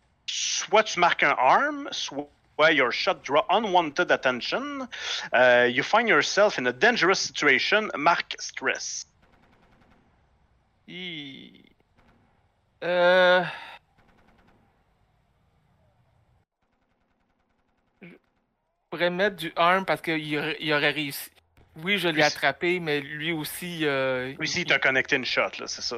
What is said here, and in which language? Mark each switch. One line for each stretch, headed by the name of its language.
French: Soit tu marques un arm, soit...
English: Where your shot draw unwanted attention, you find yourself in a dangerous situation. Mark stress.
French: Je pourrais mettre du arm parce qu'il aurait réussi. Oui, je l'ai attrapé, mais lui aussi. Lui aussi, il t'a connecté une shot, là, c'est ça.